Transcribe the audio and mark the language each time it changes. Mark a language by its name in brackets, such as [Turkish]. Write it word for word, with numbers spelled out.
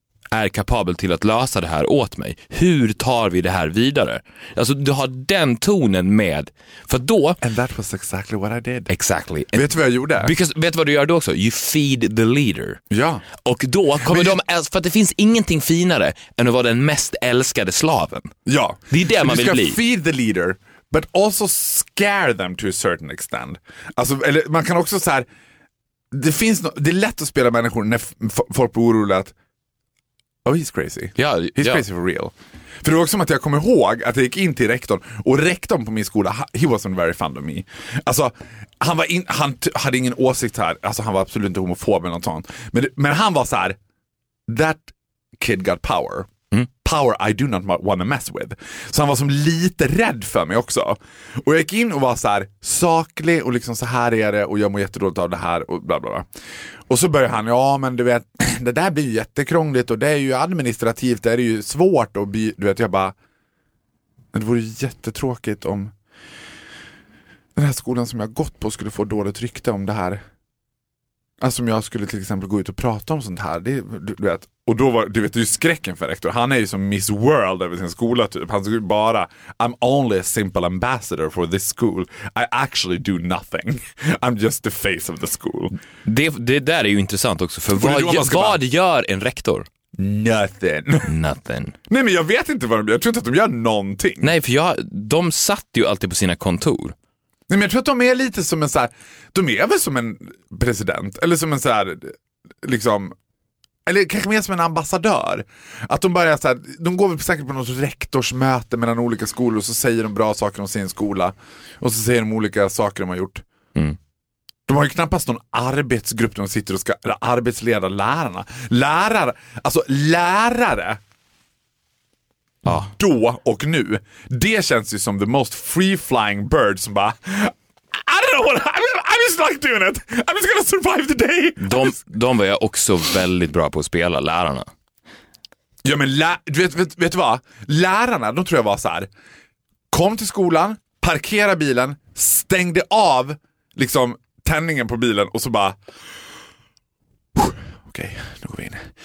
[Swedish] är kapabel till att lösa det här åt mig. Hur tar vi det här vidare? Alltså du har den tonen med, för då... [English] And that was exactly what I did. Exactly. [Swedish] And vet du vad jag gjorde? Because, vet du vad du gör då också? [English] You feed the leader. [Swedish] Ja. Och då kommer Men... de... För att det finns ingenting finare än att vara den mest älskade slaven. Ja. Det är det man du vill bli. Du ska [English] feed the leader, but also scare them to a certain extent. [Swedish] Alltså, eller man kan också så här... Det, finns no... det är lätt att spela människor när f- folk blir oroliga att [English] oh, he's crazy. [Swedish] Ja, [English] he's [Swedish] ja. [English] crazy for real. [Swedish] För det var också som att jag kommer ihåg att jag gick in till rektorn. Och rektorn på min skola, [English] he wasn't very fond of me. [Swedish] Alltså, han, var in, han t- hade ingen åsikt här. Alltså, han var absolut inte homofob eller något sånt. Men, men han var så här: [English] that kid got power. [Swedish] Mm. [English] Power I do not wanna mess with. [Swedish] Så han var som lite rädd för mig också. Och jag gick in och var så här saklig och liksom så här är det och jag mår jättedåligt av det här och bla bla bla. Och så börjar han, ja men du vet, det där blir ju jättekrångligt och det är ju administrativt, det är ju svårt och by- du vet jag bara, det vore ju jättetråkigt om den här skolan som jag gått på skulle få dåligt rykte om det här. Alltså om jag skulle till exempel gå ut och prata om sånt här, det, du, du vet. Och då var, du vet, det är ju skräcken för rektor. Han är ju som Miss World över sin skola typ. Han skulle bara, [English] I'm only a simple ambassador for this school. I actually do nothing. I'm just the face of the school. [Swedish] Det, det där är ju intressant också. För vad, vad bara... gör en rektor? [English] Nothing. Nothing. [Swedish] Nej, men jag vet inte vad de gör. Jag tror inte att de gör någonting. Nej, för jag, de satt ju alltid på sina kontor. Nej, men jag tror att de är lite som en så här, de är väl som en president eller som en så här liksom, eller kanske mer som en ambassadör. Att de bara är så här, de går väl säkert på något rektorsmöte mellan olika skolor och så säger de bra saker om sin skola och så säger de olika saker de har gjort. Mm. De har ju knappast någon arbetsgrupp där de sitter och ska arbetsleda lärarna. Lärare, alltså lärare. Ja. Då och nu. Det känns ju som [English] the most free-flying bird [Swedish] som bara, [English] I don't know what, I'm, I'm just like doing it. I'm just gonna survive the day. [Swedish] De, de var ju också väldigt bra på att spela, lärarna. Ja, men lä- du vet, vet, vet du vad? Lärarna, de tror jag var så här. Kom till skolan, parkera bilen, stängde av liksom tändningen på bilen och så bara, okej, okay, nu går vi in.